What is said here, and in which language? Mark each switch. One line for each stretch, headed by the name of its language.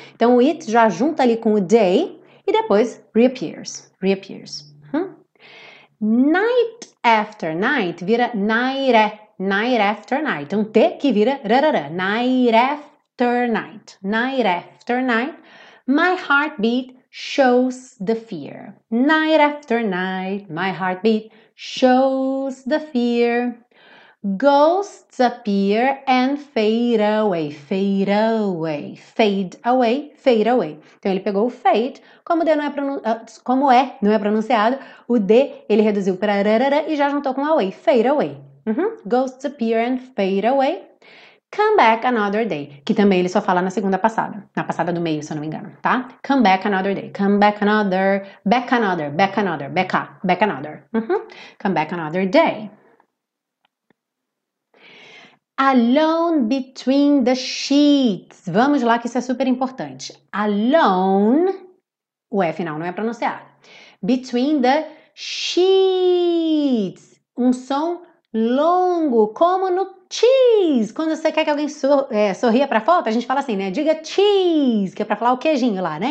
Portuguese: Então o it já junta ali com o day, e depois reappears, uhum.
English: Night after night
Portuguese: vira
English: night after night.
Portuguese: Um T que vira rarara.
English: Night after night. My heartbeat shows the fear. Night after night. My heartbeat shows the fear. Ghosts appear and fade away. Fade away. Fade away. Fade away.
Portuguese: Então ele pegou o fade, como o D não é pronunciado, o D ele reduziu para rarara e já juntou com away.
English: Fade away. Uhum. Ghosts appear and fade away. Come back another day.
Portuguese: Que também ele só fala na segunda passada. Na passada do meio, se eu não me engano, tá?
English: Come back another day. Come back another. Back another. Back another. Back up. Back another. Uhum. Come back another day. Alone between the sheets.
Portuguese: Vamos lá, que isso é super importante. Alone, o F final não é pronunciado.
English: Between the sheets.
Portuguese: Um som longo, como no cheese. Quando você quer que alguém sorria pra foto, a gente fala assim, né? Diga cheese, que é pra falar o queijinho lá, né?